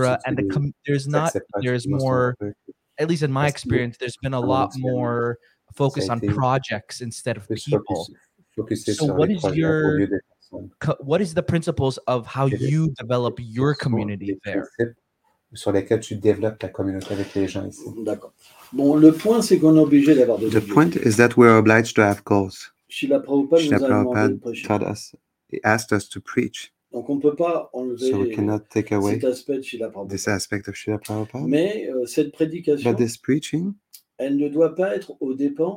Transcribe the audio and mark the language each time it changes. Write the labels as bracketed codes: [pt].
[en] And the there's more, at least in my experience, there's been a lot more focus on projects instead of people. So what is your... What is the principles of how you develop your community there? [fr] Sur lesquels tu développes ta communauté avec les gens ici. D'accord. Bon, le point, c'est qu'on est obligé d'avoir des [en] goals. The point is that we are obliged to have goals. [fr] Srila Prabhupada nous a demandé de prêcher. [en] He asked us to preach. [fr] Donc, on ne peut pas enlever [en] so we cannot take away [fr] cet aspect de Srila Prabhupada. [en] This aspect of Srila Prabhupada. [fr] Mais cette prédication, [en] But this preaching, [fr] elle ne doit pas être aux dépens